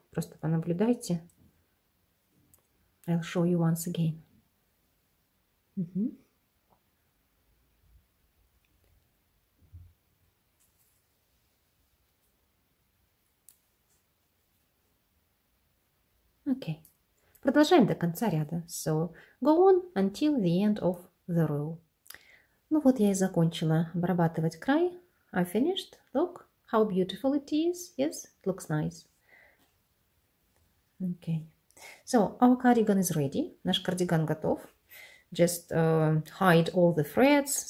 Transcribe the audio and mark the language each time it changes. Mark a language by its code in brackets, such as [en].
[ru] Просто понаблюдайте. [en] I'll show you once again. Okay. [ru] Продолжаем до конца ряда. [en] So, go on until the end of the row. [ru] Ну вот я и закончила обрабатывать край. [en] I finished. Look how beautiful it is. Yes, it looks nice. Okay. So, our cardigan is ready. [ru] Наш кардиган готов. [en] Just hide all the threads.